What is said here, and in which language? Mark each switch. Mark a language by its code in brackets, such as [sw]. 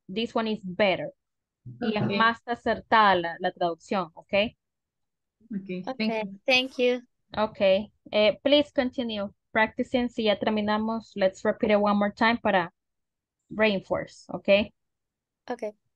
[en] This one is better. [es] Y es más acertada la traducción, okay? [en] Okay, thank you. Okay, please continue practicing. [es] Si ya terminamos, [en] let's repeat it one more time [es] para [en] reinforce, okay? Okay.